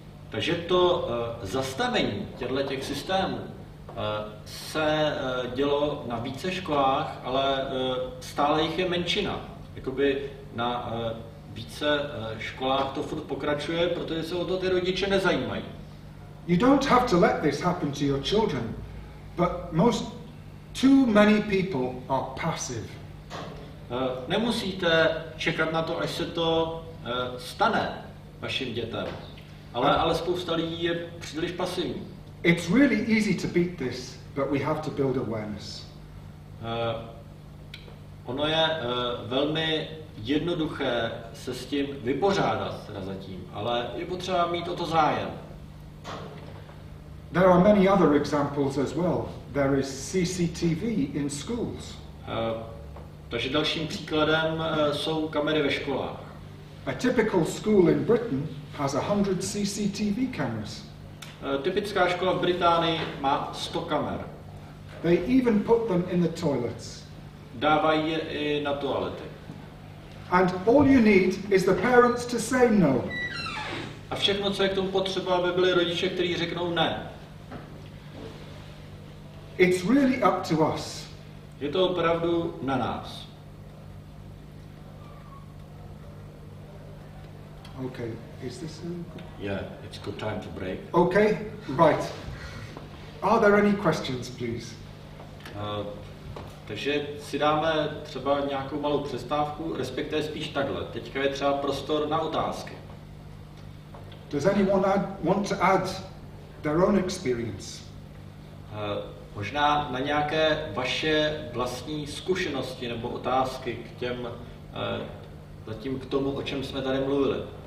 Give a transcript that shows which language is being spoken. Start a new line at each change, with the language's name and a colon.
Czech: Takže to zastavení těchto systémů se dělo na více školách, ale stále jich je menšina. Jakoby na více školách to furt pokračuje, protože se o to ty rodiče nezajímají.
English: You don't have to let this happen to your children, but most too many people are passive.
Czech: Nemusíte čekat na to, až se to stane vašim dětem. Ale spousta lidí je příliš pasivní.
English: It's really easy to beat this, but we have to build awareness.
Czech: Ono je velmi jednoduché se s tím vypořádat zatím, ale je potřeba mít o to zájem.
English: There are many other examples as well. There is CCTV in schools.
Czech: Takže dalším příkladem jsou kamery ve školách.
English: A typical school in Britain has 100 CCTV cameras.
Czech: Typická škola v Británii má 100 kamer.
English: They even put them in the toilets.
Czech: Dávají je i na toalety.
English: And all you need is the parents to say no.
Czech: A všechno, co je k tomu potřeba, aby byli rodiče, kteří řeknou ne.
English: It's really up to us.
Czech: Je to opravdu na nás.
English: Okay. Is this a good... Yeah, it's a good time to break. Okay, right. Are there any questions, please?
Czech: Takže si dáme třeba nějakou malou přestávku, respektive spíš takhle. Teďka je třeba prostor na otázky.
English: Does anyone want to add their own experience?
Czech: Možná na nějaké vaše vlastní zkušenosti nebo otázky k těm, zatím k tomu, o čem jsme tady mluvili.